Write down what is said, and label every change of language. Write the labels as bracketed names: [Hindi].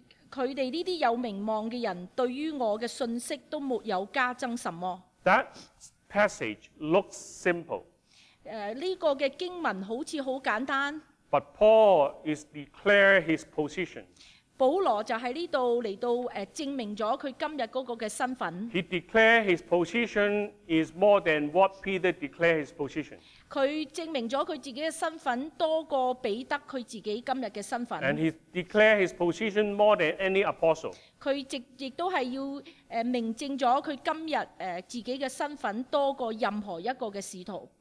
[Chinese] 他们这些有名望的人对于我的信息都没有加增什么。 [English] That passage looks simple. [Chinese] 这个的经文好像很简单。 [English] But Paul is declaring his position. [Chinese] 保罗就在这里来到证明了他今天的身份。 [English] He declared his position is more than what Peter declared his position. [Chinese] 他证明了他自己的身份多过彼得他自己今天的身份。 [English] And he declared his position more than any apostle. [Chinese] 他也是要明证了他今天自己的身份多过任何一个的使徒。